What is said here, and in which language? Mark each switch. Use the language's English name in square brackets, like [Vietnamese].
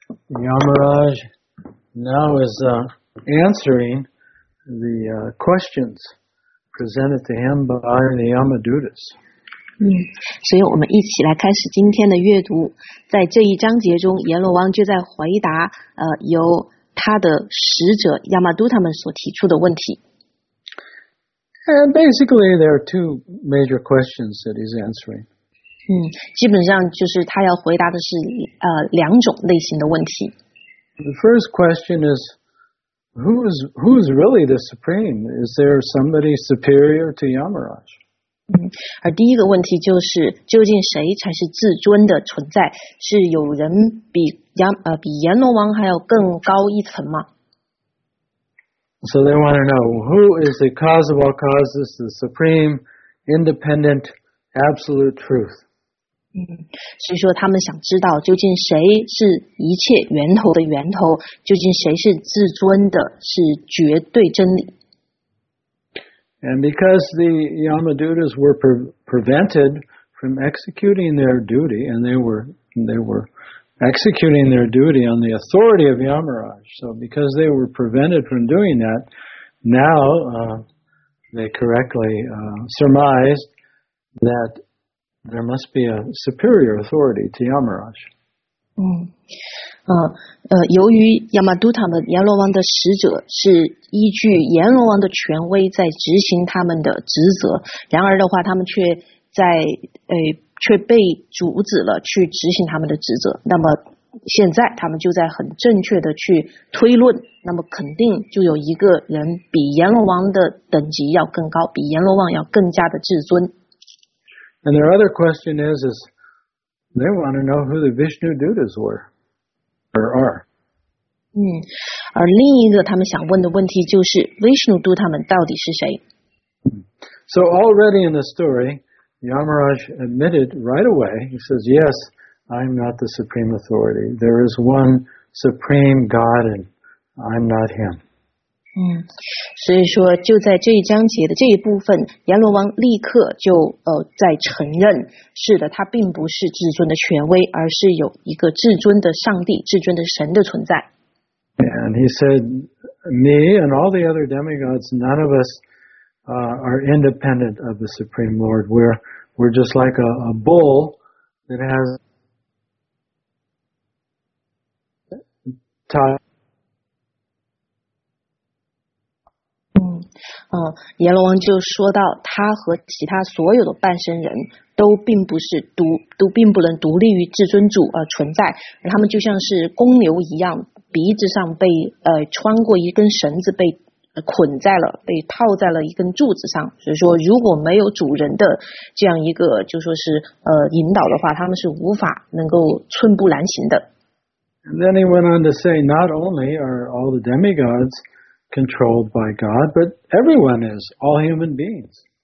[English] Yamaraj now is answering the questions presented to him by the Yamadutas. [Chinese] 所以我们一起来开始今天的阅读。在这一章节中，阎罗王就在回答由他的使者 Yamaduta 们所提出的问题。 [English] And basically, there are two major questions that he's answering. [Chinese] 基本上就是他要回答的是两种类型的问题。 [English] The first question is, who is really the supreme? Is there somebody superior to Yamaraj? [Chinese] 而第一个问题就是，究竟谁才是至尊的存在？是有人比阎罗王还要更高一层吗？ [English] So they want to know, who is the cause of all causes, the supreme, independent, absolute truth? [Chinese] 所以说他们想知道究竟谁是一切源头的源头，究竟谁是至尊的，是绝对真理。 [English] And because the Yamadutas were prevented from executing their duty, and they were executing their duty on the authority of Yamaraj, so because they were prevented from doing that, now they correctly surmised that there must be a superior authority to Yamaraj. [Chinese] 由于亚玛都塔们阎罗王的使者是依据阎罗王的权威在执行他们的职责，然而的话，他们却在却被阻止了去执行他们的职责。那么现在他们就在很正确的去推论，那么肯定就有一个人比阎罗王的等级要更高，比阎罗王要更加的至尊。 [English] And their other question is they want to know who the Vishnu Dutas were. Or are. [Chinese] 而另一个他们想问的问题就是 Vishnu Duta 们到底是谁？ [English] So already in the story, Yamaraj admitted right away, he says, yes, I'm not the supreme authority. There is one supreme God and I'm not him. [Chinese] 所以说就在这一章节的这一部分，阎罗王立刻就在承认，是的，他并不是至尊的权威，而是有一个至尊的上帝、至尊的神的存在。 [English] And he said, me and all the other demigods, none of us are independent of the Supreme Lord. We're just like a bull that has tied. [Chinese] 阎罗王就说到他和其他所有的半身人都并不能独立于至尊主而存在，而他们就像是公牛一样，鼻子上被穿过一根绳子，被捆在了，被套在了一根柱子上，所以说如果没有主人的这样一个就说是引导的话，他们是无法能够寸步难行的。 [English] And then he went on to say, not only are all the demigodscontrolled by God, but everyone is, all human beings.